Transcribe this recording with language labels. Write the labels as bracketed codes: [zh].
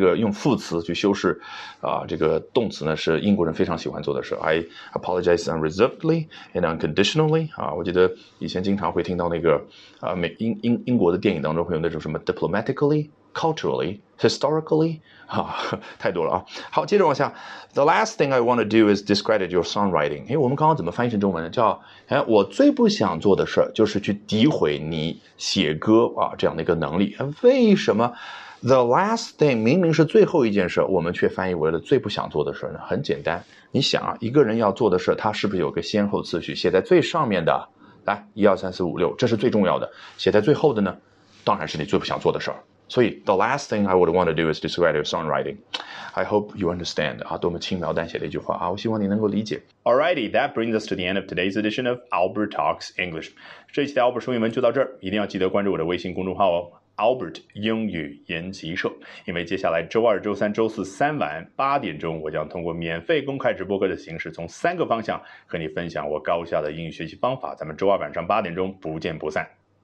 [zh] 这个用副词去修饰啊，这个动词呢是英国人非常喜欢做的事。 [en] I apologize unreservedly and unconditionally [zh] 啊，我觉得以前经常会听到那个啊，英国的电影当中会有那种什么 diplomatically、culturally、historically 啊，太多了啊。好，接着往下 [en] ，The last thing I want to do is discredit your songwriting。 [zh] 哎，我们刚刚怎么翻译成中文呢？叫哎，我最不想做的事就是去诋毁你写歌啊这样的一个能力。为什么 [en] The last thing [zh] 明明是最后一件事，我们却翻译为了最不想做的事呢？很简单，你想啊，一个人要做的事，他是不是有个先后次序？写在最上面的。来，一二三四五六，这是最重要的。写在最后的呢，当然是你最不想做的事儿。 [en] 所以 ，the last thing I would want to do is discredit your songwriting. I hope you understand. [zh] 啊，多么轻描淡写的一句话啊！我希望你能够理解。 [en] Alrighty, that brings us to the end of today's edition of Albert Talks English. [zh] 这一期的 Albert 说英文就到这儿，一定要记得关注我的微信公众号哦。 Albert 英语研习社，因为接下来周二、周三、周四三晚8点钟，我将通过免费公开直播课的形式，从三个方向和你分享我高效的英语学习方法。咱们周二晚上8点钟不见不散。